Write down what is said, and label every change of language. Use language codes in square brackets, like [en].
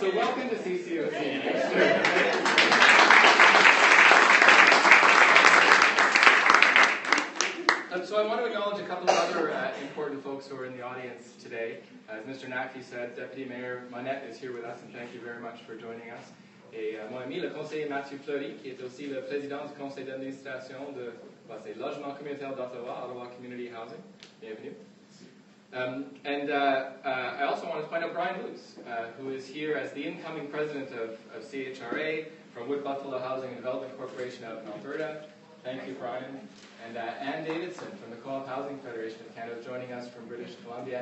[en] So welcome to CCOC. So I want to acknowledge a couple of other important folks who are in the audience today. As Mr. Nakhti said, Deputy Mayor Monette is here with us, and thank you very much for joining us. [fr] Et mon ami, le conseiller Mathieu Fleury, qui est aussi le président du conseil d'administration de c'est Logement Communautaire d'Ottawa, Ottawa Community Housing. Bienvenue. [en] I also want to point out Brian Luce, who is here as the incoming president of CHRA from Wood Buffalo Housing and Development Corporation out in Alberta. Thank you, Brian. And Ann Davidson from the Co-op Housing Federation of Canada joining us from British Columbia.